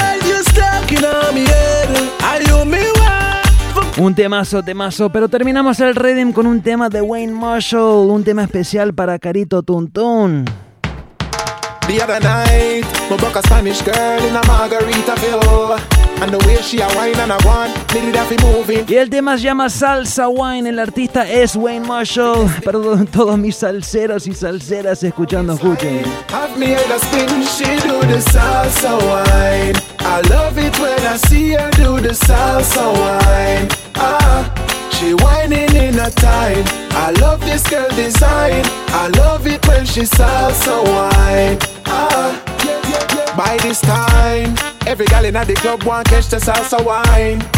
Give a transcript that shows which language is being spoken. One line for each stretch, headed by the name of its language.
English: You're stuck in on me head. Are you me one?
Spanish: Un temazo, temazo. Pero terminamos el Redim con un tema de Wayne Marshall. Un tema especial para Carito Tuntún.
English: The other night, me book a Spanish girl in a Margaritaville. And the way she a wine and a wine, me did a fi moving.
Spanish: Y el tema se llama Salsa Wine, el artista es Wayne Marshall. Perdón, todos mis salseros y salseras escuchando, escuchen.
English: Have me head a spin, she do the salsa wine. I love it when I see her do the salsa wine. She whining in her time. I love this girl design. I love it when she salsa wine. By this time, every girl in the club want catch the salsa wine.